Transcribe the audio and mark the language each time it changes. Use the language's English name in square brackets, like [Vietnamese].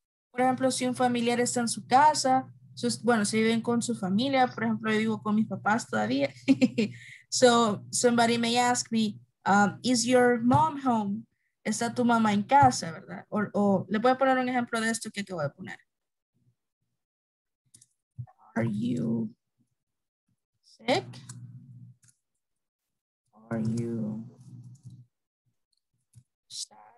[Spanish] Por ejemplo, si un familiar está en su casa, bueno, si viven con su familia, por ejemplo, yo vivo con mis papás todavía. [English] So, somebody may ask me, is your mom home? [Spanish] ¿Está tu mamá en casa, verdad? O le voy a poner un ejemplo de esto que te voy a poner. [English] Are you sick? Are you sad?